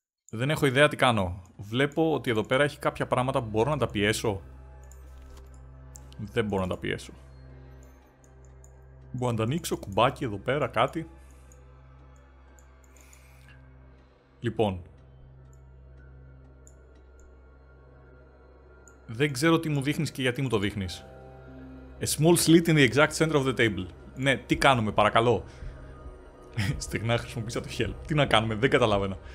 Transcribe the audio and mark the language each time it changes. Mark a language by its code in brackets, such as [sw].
[el] Δεν έχω ιδέα τι κάνω. Βλέπω ότι εδώ πέρα έχει κάποια πράγματα που μπορώ να τα πιέσω. Δεν μπορώ να τα πιέσω. Μπορώ να τα ανοίξω, κουμπάκι εδώ πέρα, κάτι. Λοιπόν. Δεν ξέρω τι μου δείχνεις και γιατί μου το δείχνεις. [en] A small slit in the exact center of the table. [el] Ναι, τι κάνουμε, παρακαλώ. Στεγνά χρησιμοποίησα το help. Τι να κάνουμε, δεν καταλάβαινα.